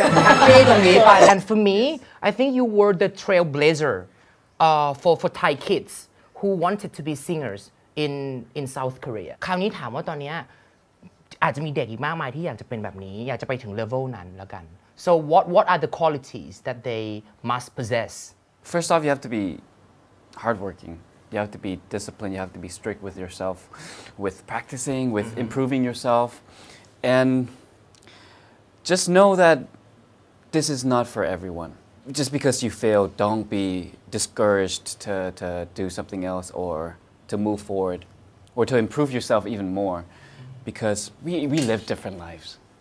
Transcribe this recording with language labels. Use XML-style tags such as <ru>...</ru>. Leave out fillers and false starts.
<en>And for me, I think you were the trailblazer for Thai kids who wanted to be singers in South Korea.</en> <th>คราวนี้ถามว่าตอนนี้อาจจะมีเด็กอีกมากมายที่อยากจะเป็นแบบนี้อยากจะไปถึงเลเวลนั้นแล้วกัน</th> <en>So what are the qualities that they must possess? First off, you have to be hardworking. You have to be disciplined. You have to be strict with yourself, with practicing, with improving yourself, and just know that this is not for everyone. Just because you fail, don't be discouraged to do something else or to move forward or to improve yourself even more because we live different lives.</en>